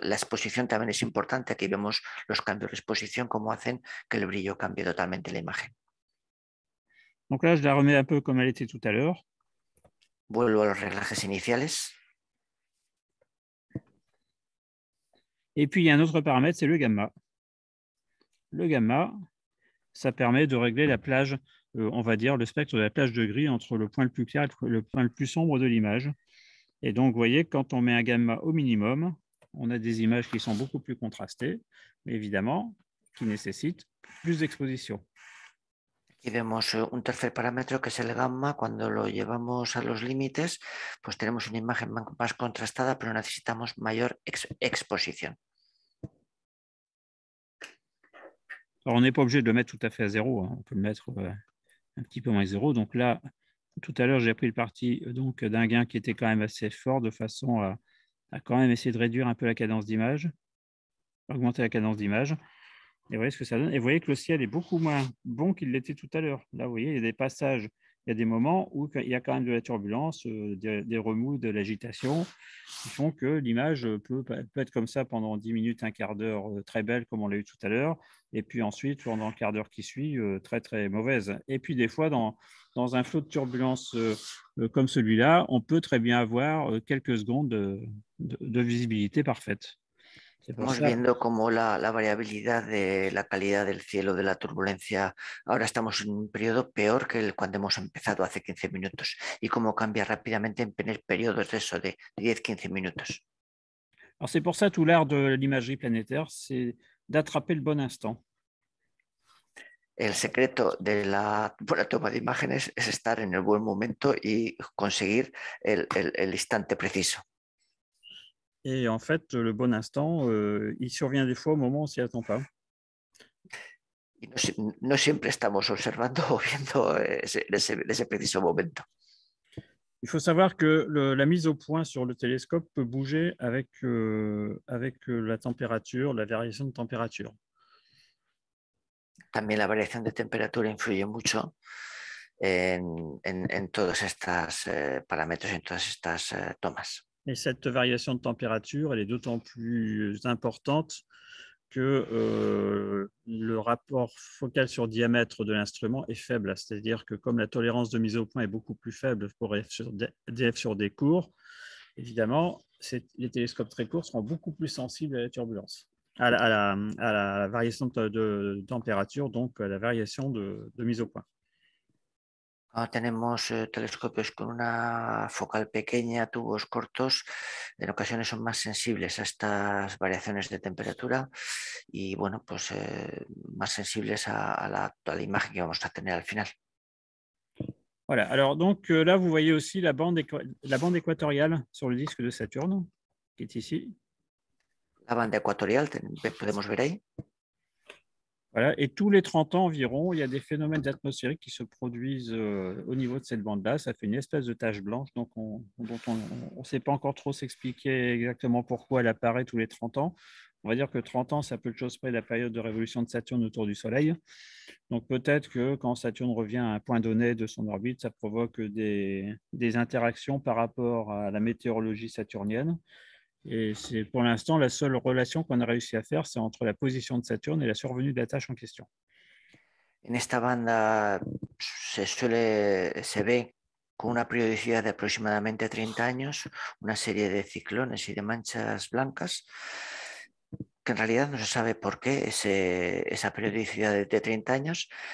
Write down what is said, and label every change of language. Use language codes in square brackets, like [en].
[es] La exposición también es importante. Aquí vemos los cambios de exposición, cómo hacen que el brillo cambie totalmente la imagen. [fr] Donc là, je la remets un peu comme elle était tout à l'heure. [es] Vuelvo a los [fr] réglages initiales. Et puis, il y a un autre paramètre, c'est le gamma. Le gamma, ça permet de régler la plage, on va dire, le spectre de la plage de gris entre le point le plus clair et le point le plus sombre de l'image. Et donc, vous voyez, quand on met un gamma au minimum, on a des images qui sont beaucoup plus contrastées, mais évidemment, qui nécessitent plus d'exposition. [es] Y vemos un tercer parámetro que es el gamma. Cuando lo llevamos a los límites, pues tenemos una imagen más contrastada, pero necesitamos mayor exposición. [fr] Alors, on n'est pas obligé de le mettre tout à fait à zéro. On peut le mettre un petit peu moins zéro. Donc là, tout à l'heure, j'ai pris le parti donc d'un gain qui était quand même assez fort, de façon à quand même essayer de réduire un peu la cadence d'image, augmenter la cadence d'image. Et vous voyez ce que ça donne. Et vous voyez que le ciel est beaucoup moins bon qu'il l'était tout à l'heure. Là, vous voyez, il y a des passages, il y a des moments où il y a quand même de la turbulence, des remous, de l'agitation, qui font que l'image peut être comme ça pendant 10 minutes, un quart d'heure, très belle, comme on l'a eu tout à l'heure, et puis ensuite, pendant le quart d'heure qui suit, très, très mauvaise. Et puis, des fois, dans un flot de turbulence comme celui-là, on peut très bien avoir quelques secondes de visibilité parfaite. [es] Estamos viendo cómo la variabilidad de la calidad del cielo, de la turbulencia, ahora estamos en un periodo peor que cuando hemos empezado hace 15 minutos y cómo cambia rápidamente en periodos de eso, de 10-15 minutos. [fr] Alors, c'est pour ça tout l'art de l'imagerie planétaire, c'est d'attraper le bon instant. [es] El secreto de la buena toma de imágenes es estar en el buen momento y conseguir el instante preciso. [fr] Et en fait, le bon instant, il survient des fois au moment où on ne s'y attend pas. [es] No siempre estamos observando o viendo ese preciso momento. [fr] Il faut savoir que la mise au point sur le télescope peut bouger avec la température, la variation de température. [es] también la variación de temperatura influye mucho en todos estos parámetros, en todas estas tomas. [fr] Et cette variation de température, elle est d'autant plus importante que le rapport focal sur diamètre de l'instrument est faible. C'est-à-dire que comme la tolérance de mise au point est beaucoup plus faible pour DF sur des courts, évidemment, les télescopes très courts seront beaucoup plus sensibles à la turbulence, à la variation de température, donc à la variation de mise au point. [es] Cuando tenemos telescopios con una focal pequeña, tubos cortos, en ocasiones son más sensibles a estas variaciones de temperatura y, bueno, pues más sensibles a la imagen que vamos a tener al final. [fr] Voilà, alors donc là, vous voyez aussi la bande équatoriale sur le disque de Saturne, qui est ici. La bande équatoriale, [es] podemos ver ahí. [fr] Voilà, et tous les 30 ans environ, il y a des phénomènes atmosphériques qui se produisent au niveau de cette bande-là. Ça fait une espèce de tache blanche donc dont on ne sait pas encore trop s'expliquer exactement pourquoi elle apparaît tous les 30 ans. On va dire que 30 ans, c'est à peu de choses près la période de révolution de Saturne autour du Soleil. Donc peut-être que quand Saturne revient à un point donné de son orbite, ça provoque des interactions par rapport à la météorologie saturnienne. Et c'est pour l'instant la seule relation qu'on a réussi à faire, c'est entre la position de Saturne et la survenue de la tache en question. [es] En esta banda se ve con una periodicidad de aproximadamente 30 años una serie de ciclones y de manchas blancas, que en realidad no se sabe por qué esa periodicidad de 30 años.